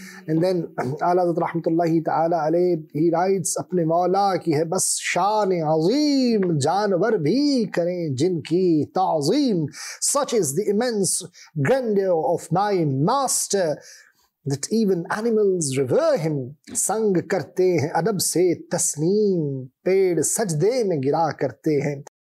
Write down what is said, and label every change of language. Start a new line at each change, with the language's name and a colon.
English: And then
Urdu: اعلیٰ حضرت رحمت اللہ تعالیٰ علیہ,
English: he writes
Urdu: اپنے مولا کی ہے بس شان عظیم, جانور بھی کریں جن کی تعظیم.
English: Such is the immense grandeur of my master that even animals revere him.
Urdu: سنگ کرتے ہیں ادب سے تسلیم, پیڑ سجدے میں گرا کرتے ہیں.